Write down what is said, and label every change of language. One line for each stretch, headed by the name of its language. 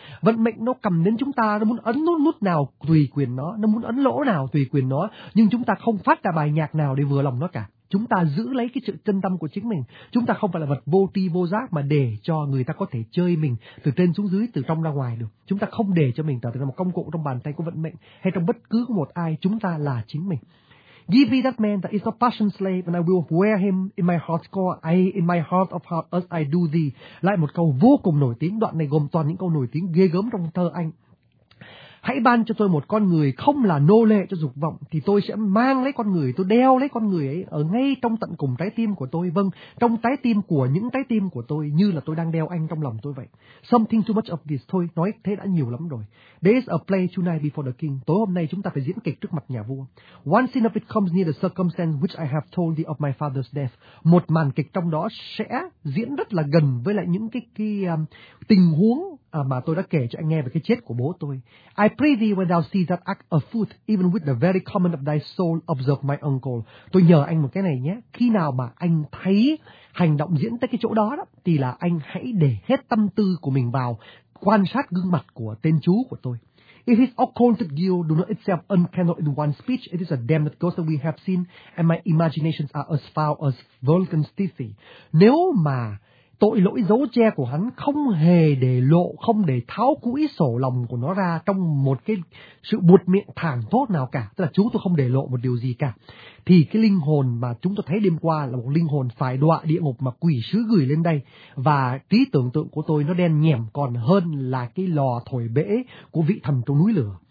Vietnamese: Vận mệnh nó cầm đến chúng ta, nó muốn ấn nút nào tùy quyền nó muốn ấn lỗ nào tùy quyền nó, nhưng chúng ta không phát ra bài nhạc nào để vừa lòng nó cả. Chúng ta giữ lấy cái sự chân tâm của chính mình. Chúng ta không phải là vật vô tri vô giác mà để cho người ta có thể chơi mình từ trên xuống dưới, từ trong ra ngoài được. Chúng ta không để cho mình trở thành một công cụ trong bàn tay của vận mệnh hay trong bất cứ một ai. Chúng ta là chính mình.
English: Give me that man that is a passion slave and I will wear him in my heart's core, I in my heart of heart as I do thee.
Vietnamese: Lại một câu vô cùng nổi tiếng, đoạn này gồm toàn những câu nổi tiếng ghê gớm trong thơ anh. Hãy ban cho tôi một con người không là nô lệ cho dục vọng, thì tôi sẽ mang lấy con người, tôi đeo lấy con người ấy ở ngay trong tận cùng trái tim của tôi. Vâng, trong trái tim của những trái tim của tôi, như là tôi đang đeo anh trong lòng tôi vậy.
English: Something too much of this,
Vietnamese: thôi, nói thế đã nhiều lắm rồi.
English: There is a play tonight before the king.
Vietnamese: Tối hôm nay chúng ta phải diễn kịch trước mặt nhà vua.
English: One scene of it comes near the circumstance which I have told thee of my father's death.
Vietnamese: Một màn kịch trong đó sẽ diễn rất là gần với lại những tình huống mà tôi đã kể cho anh nghe về cái chết của bố tôi.
English: I pray thee when thou see that act afoot, even with the very comment of thy soul, observe my uncle.
Vietnamese: Tôi nhờ anh một cái này nhé. Khi nào mà anh thấy hành động diễn tới cái chỗ đó, thì là anh hãy để hết tâm tư của mình vào quan sát gương mặt của tên chú của tôi.
English: If his occulted guilt do not itself unkennel in one speech, it is a damned ghost that we have seen, and my imaginations are as foul as Vulcan's Tiffy.
Vietnamese: Nếu mà tội lỗi dấu che của hắn không hề để lộ, không để tháo cũi sổ lòng của nó ra trong một cái sự buột miệng thẳng thốt nào cả, tức là chú tôi không để lộ một điều gì cả, thì cái linh hồn mà chúng tôi thấy đêm qua là một linh hồn phải đọa địa ngục mà quỷ sứ gửi lên đây, và trí tưởng tượng của tôi nó đen nhẻm còn hơn là cái lò thổi bể của vị thần trong núi lửa.